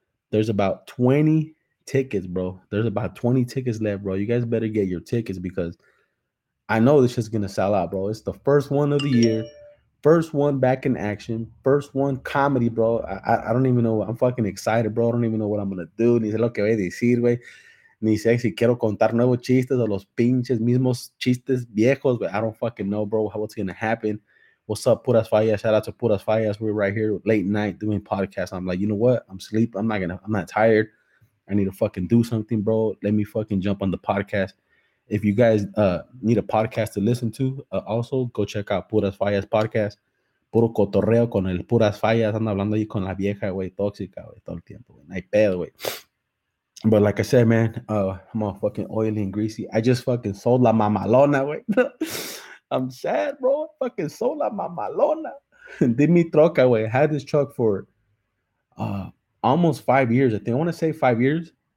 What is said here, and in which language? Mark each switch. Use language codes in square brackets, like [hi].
[en] There's about 20 tickets, bro. There's about 20 tickets left, bro. You guys better get your tickets because I know this is going to sell out, bro. It's the first one of the year. First one back in action. First one comedy, bro. I don't even know. I'm fucking excited, bro. I don't even know what I'm going to do. [es] Ni sé lo que voy a decir, güey. Ni sé si quiero contar nuevos chistes o los pinches mismos chistes viejos. [en] But I don't fucking know, bro, how it's going to happen. What's up, Puras Fallas? Shout out to Puras Fallas. We're right here late night doing podcasts. I'm like, you know what? I'm asleep. I'm not tired. I need to fucking do something, bro. Let me fucking jump on the podcast. If you guys need a podcast to listen to, also go check out Puras Fallas podcast. [es] Puro cotorreo con el Puras Fallas. Ando hablando ahí con la vieja, güey, tóxica, güey, todo el tiempo. Wey. Ay, pedo, güey. [en] But like I said, man, I'm all fucking oily and greasy. I just fucking sold [es] la mamalona, güey. [en] I'm sad, bro. I fucking sold la mamalona. Did [es] mi troca, güey. [en] Had this truck for almost 5 years. I think I want to say 5 years.